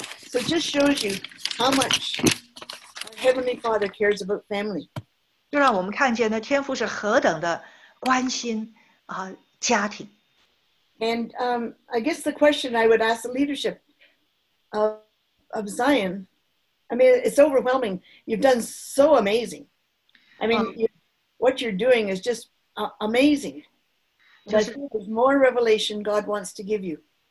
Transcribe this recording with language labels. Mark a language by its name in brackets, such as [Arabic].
[English] So it just shows you how much our Heavenly Father cares about family. [Chinese] 就让我们看见呢，天父是何等的关心啊家庭。 [English] And I guess the question I would ask the leadership of Zion, I mean, it's overwhelming. You've done so amazing. I mean, what you're doing is just amazing. But there's more revelation God wants to give you.